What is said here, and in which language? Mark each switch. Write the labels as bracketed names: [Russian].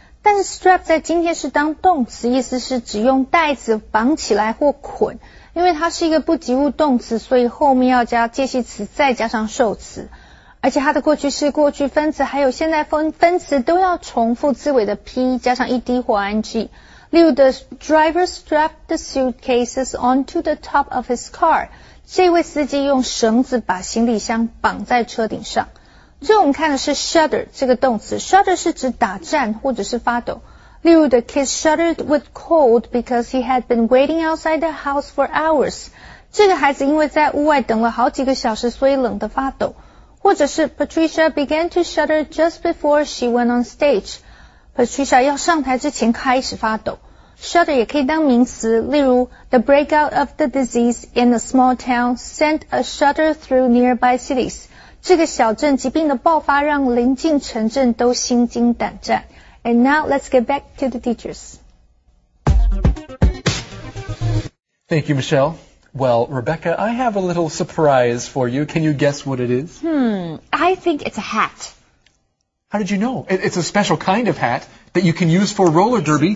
[Chinese] 但是 strap 在今天是当动词，意思是只用带子绑起来或捆。因为它是一个不及物动词，所以后面要加介系词再加上受词。而且它的过去式、过去分词还有现在分词都要重复字尾的 p 加上 ed 或 ing。例如 [English] the driver strapped the suitcases onto the top of his car. [Chinese] 这位司机用绳子把行李箱绑在车顶上。最后我们看的是 shudder 这个动词， shudder 是指打颤或者是发抖。例如 [English] the kid shuddered with cold because he had been waiting outside the house for hours. [Chinese] 这个孩子因为在屋外等了好几个小时，所以冷得发抖。或者是 [English] Patricia began to shudder just before she went on stage. [Chinese] Patricia 要上台之前开始发抖。 [English] Shudder [Chinese] 也可以当名词，例如 [English] The breakout of the disease in a small town sent a shudder through nearby cities. [Chinese] 这个小镇疾病的爆发让邻近城镇都心惊胆战。 [English] And now let's get back to the teachers. Thank you, Michelle. Well, Rebecca, I have a little surprise for you. Can you guess what it is? I think it's a hat. How did you know? It's a special kind of hat that you can use for roller derby.